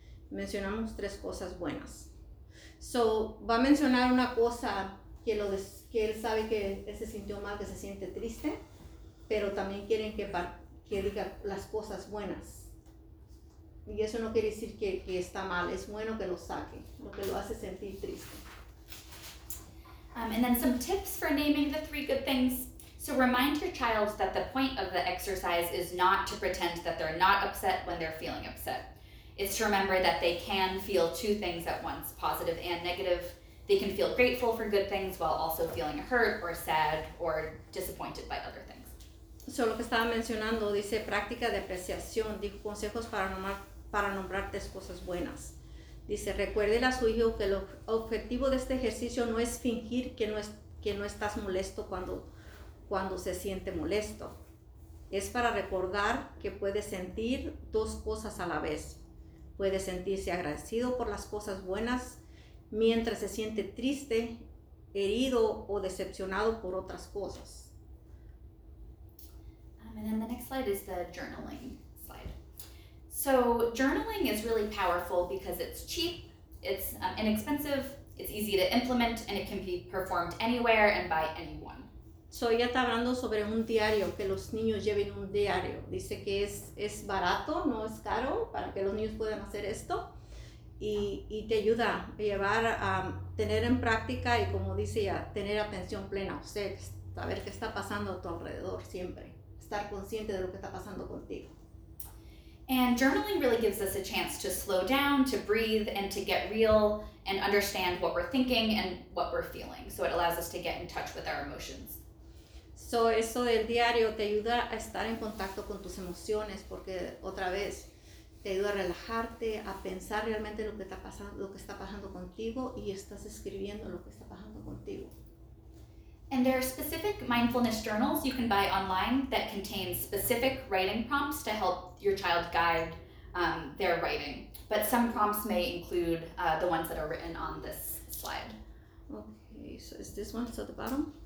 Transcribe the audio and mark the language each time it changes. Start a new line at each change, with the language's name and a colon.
Spanish: Mencionamos 3 cosas buenas. So, va a mencionar una cosa que él sabe que él se sintió mal, que se siente triste, pero también quieren que diga las cosas buenas. Y eso no quiere decir que está mal, es bueno que lo saque, lo que lo hace sentir triste.
English: And then some tips for naming the 3 good things. So remind your child that the point of the exercise is not to pretend that they're not upset when they're feeling upset. It's to remember that they can feel 2 things at once, positive and negative. They can feel grateful for good things while also feeling hurt or sad or disappointed by other things.
Spanish: So lo que estaba mencionando, dice práctica de apreciación, dijo consejos para nombrar 3 cosas buenas. Dice, recuerde a su hijo que el objetivo de este ejercicio no es fingir que no estás molesto cuando se siente molesto. Es para recordar que puede sentir 2 cosas a la vez. Puede sentirse agradecido por las cosas buenas mientras se siente triste, herido o decepcionado por otras cosas.
English: And then the next slide is the journaling slide. So journaling is really powerful because it's cheap, it's inexpensive, it's easy to implement, and it can be performed anywhere and by anyone.
Spanish: So ella está hablando sobre un diario, que los niños lleven un diario. Dice que es barato, no es caro, para que los niños puedan hacer esto. Y te ayuda a llevar a tener en práctica y, como dice ella, tener atención plena. O sea, saber qué está pasando a tu alrededor siempre. Estar consciente de lo que está pasando contigo.
English: And journaling really gives us a chance to slow down, to breathe, and to get real and understand what we're thinking and what we're feeling. So it allows us to get in touch with our emotions.
Spanish: So eso del diario te ayuda a estar en contacto con tus emociones porque otra vez te ayuda a relajarte, a pensar realmente lo que está pasando contigo y estás escribiendo lo que está pasando contigo.
English: And there are specific mindfulness journals you can buy online that contain specific writing prompts to help your child guide their writing. But some prompts may include the ones that are written on this slide. Okay, so is this one at the bottom?